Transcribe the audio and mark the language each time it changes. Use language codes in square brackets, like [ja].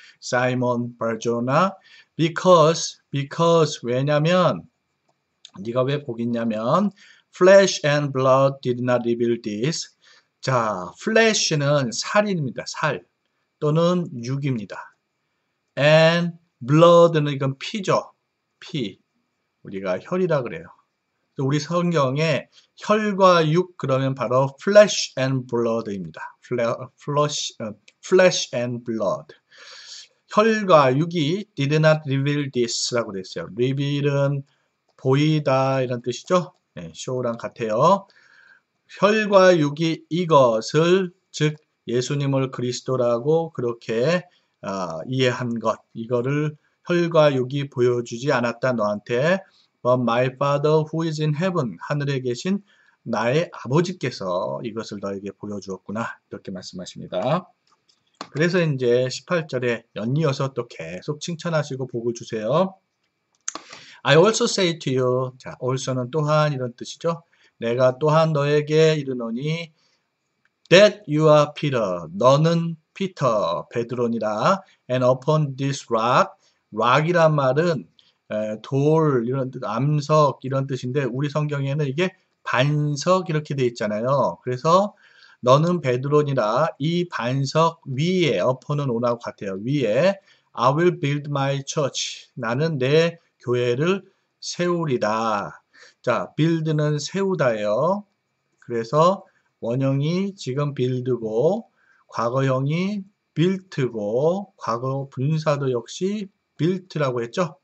[en] 사이먼 브라조나, because, [ko] 왜냐면, 네가 왜복 있냐면, [en] flesh and blood did not reveal this. [ko] 자, flesh는 살인입니다. 살. 또는 육입니다. And blood는 이건 피죠. 피. 우리가 혈이라 그래요. 우리 성경에 혈과 육 그러면 바로 flesh and blood입니다. [en] flesh and blood. [ko] 혈과 육이 [en] did not reveal this라고 그랬어요. [ko] reveal은 보이다 이런 뜻이죠. 네, show랑 같아요. 혈과 육이 이것을 즉 예수님을 그리스도라고 그렇게 이해한 것. 이거를 혈과 육이 보여주지 않았다 너한테. [en] But my Father who is in heaven, [ko] 하늘에 계신 나의 아버지께서 이것을 너에게 보여주었구나. 이렇게 말씀하십니다. 그래서 이제 18절에 연이어서 또 계속 칭찬하시고 복을 주세요. [en] I also say to you, [ko] 자, also는 또한 이런 뜻이죠. 내가 또한 너에게 이르노니 [en] that you are Peter, [ko] 너는 피터, 베드로니라. [en] And upon this rock, [ko] rock이란 말은 돌, 이런 뜻, 암석, 이런 뜻인데, 우리 성경에는 이게 반석 이렇게 돼 있잖아요. 그래서, 너는 베드로니라, 이 반석 위에, 어퍼는 오라고 같아요. 위에, [en] I will build my church. [ko] 나는 내 교회를 세우리라. 자, build는 세우다예요. 그래서, 원형이 지금 build고, 과거형이 built고, 과거 분사도 역시 Built라고 했죠?